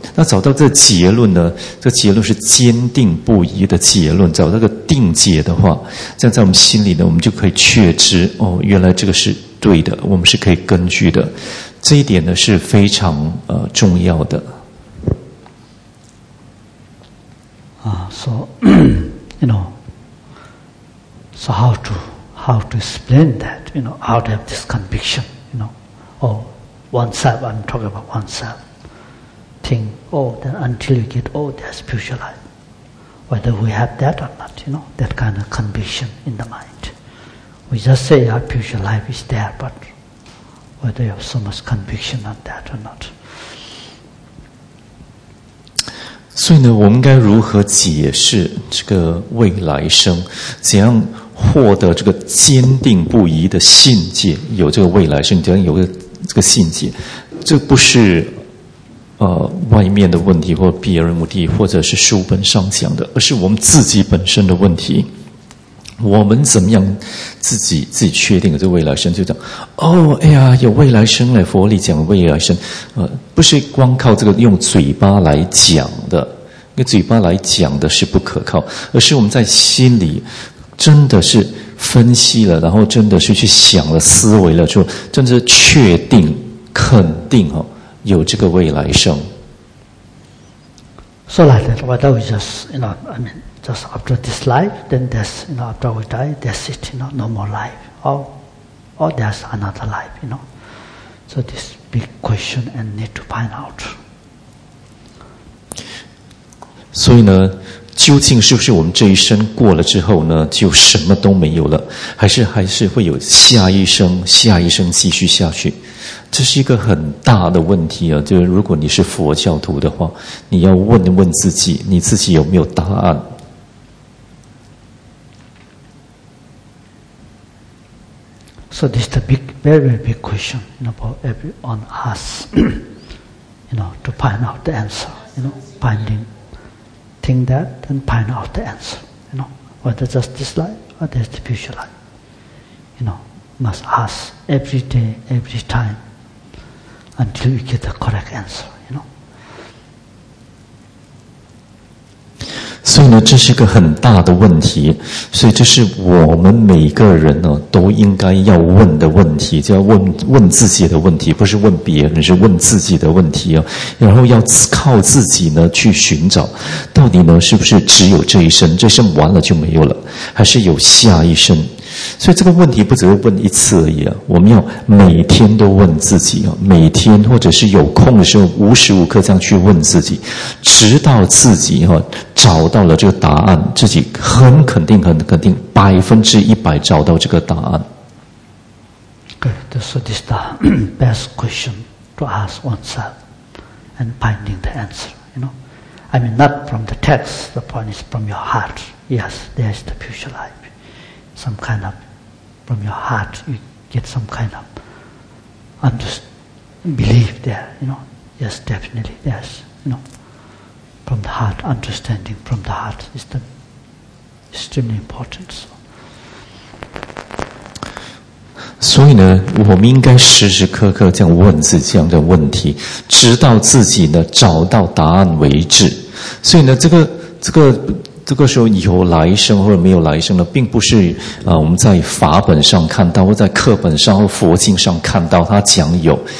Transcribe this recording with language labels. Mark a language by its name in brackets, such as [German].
[Chinese] 那找到这个结论呢，这个结论是坚定不移的结论，找到个定解的话，这样在我们心里呢，我们就可以确知哦，原来这个是对的，我们是可以根据的。这一点呢是非常重要的。 [English] So you know, so how to explain that, you know, how to have this conviction, you know, or oneself, I'm talking about oneself. Think, oh, then until you get, oh, there's future life. Whether we have that or not, you know, that kind of conviction in the mind. We just say our future life is there, but whether you have so much conviction on that or not. [Chinese] 所以呢，我们该如何解释这个未来生？怎样获得这个坚定不移的信解？有这个未来生，怎样有这个信解？这不是外面的问题，或别人目的，或者是书本上讲的，而是我们自己本身的问题。我们怎么样自己确定这未来生？就讲哦，哎呀，有未来生嘞！佛里讲未来生，不是光靠这个用嘴巴来讲的，因为嘴巴来讲的是不可靠，而是我们在心里真的是分析了，然后真的是去想了、思维了，就真的是确定、肯定哦。有这个未来生。 [English] So like that, whether we just, you know, I mean, just after this life, then there's, you know, after we die, that's it, you know, no more life. Or there's another life, you know. So this big question and need to find out. [Chinese] 所以呢，究竟是不是我们这一生过了之后呢，就什么都没有了，还是会有下一生，下一生继续下去？这是一个很大的问题啊！就是如果你是佛教徒的话，你要问问自己，你自己有没有答案？ [English] So this is a big, very, very big question, you know, for every one of us, you know, to find out the answer, you know, finding, think that, and find out the answer, you know, whether just this life or there's the future life, you know, must ask every day, every time, until we get the correct answer, you know. 所以呢，这是个很大的问题，所以这是我们每个人呢都应该要问的问题，就要问自己的问题，不是问别人，是问自己的问题啊。然后要靠自己呢去寻找，到底呢是不是只有这一生，这一生完了就没有了，还是有下一生？所以这个问题不只是问一次而已啊，我们要每天都问自己啊，每天或者是有空的时候，无时无刻这样去问自己，直到自己哈、啊、找到了这个答案，自己很肯定、很肯定，100%找到这个答案。 Good, so this is the best question to ask oneself and finding the answer. You know, I mean, not from the text. The point is from your heart. Yes, there is the future life. Some kind of, from your heart, you get some kind of belief there, you know. Yes, definitely, yes, you know. From the heart, understanding from the heart is the extremely important. So, [Chinese] 所以呢，我们应该时时刻刻这样问自己这样的问题，直到自己呢找到答案为止。所以呢，这个时候有来生或者没有来生呢，并不是我们在法本上看到，或在课本上或佛经上看到他讲有，